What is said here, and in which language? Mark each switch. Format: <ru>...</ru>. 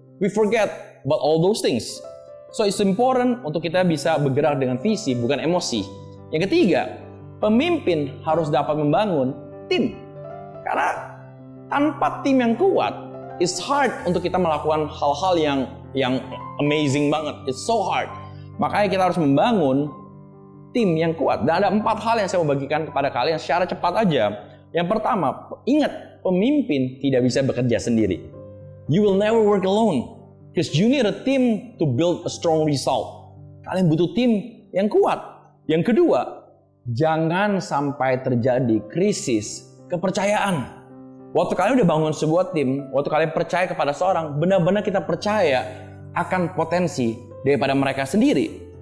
<en>We forget about all those things. So it's important</en> <id>untuk kita bisa bergerak dengan visi, bukan emosi. Yang ketiga, pemimpin harus dapat membangun tim. Karena tanpa tim yang kuat,</id> <en>it's hard</en> <id>untuk kita melakukan hal-hal yang amazing banget.</id> <en>It's so hard.</en> <id>Makanya kita harus membangun tim yang kuat. Dan ada empat hal yang saya mau bagikan kepada kalian secara cepat aja. Yang pertama, ingat, pemimpin tidak bisa bekerja sendiri.</id> <en>You will never work alone, because you need a team to build a strong result.</en> <id>Kalian butuh tim yang kuat. Yang kedua, jangan sampai terjadi krisis kepercayaan. Waktu kalian udah bangun sebuah tim, waktu kalian percaya kepada seorang, benar-benar kita percaya akan potensi daripada mereka sendiri.</id>